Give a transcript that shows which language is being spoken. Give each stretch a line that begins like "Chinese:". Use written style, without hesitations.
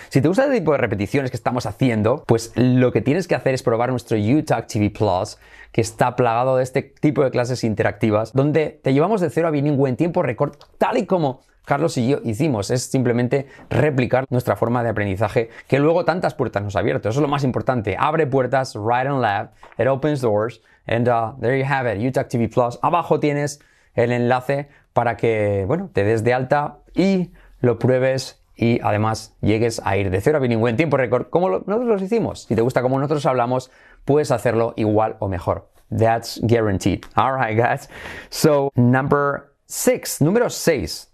Spanish: Si te gusta el tipo de repeticiones que estamos haciendo, pues lo que tienes que hacer es probar nuestro UTalk TV Plus, que está plagado de este tipo de clases interactivas, donde te llevamos de cero a bilingüe en tiempo récord, tal y como Carlos y yo hicimos. Es simplemente replicar nuestra forma de aprendizaje, que luego tantas puertas nos ha abierto. Eso es lo más importante. Abre puertas,
English: right and left. It opens doors. And there you have it, UTalk TV Plus.
Spanish: Abajo tienes el enlace para que, bueno, te des de alta y lo pruebes y además llegues a ir de cero a bilingüe en tiempo récord, como nosotros hicimos. Si te gusta como nosotros hablamos, puedes hacerlo igual o mejor.
English: That's guaranteed. All right, guys. So, number six.
Spanish: Número seis.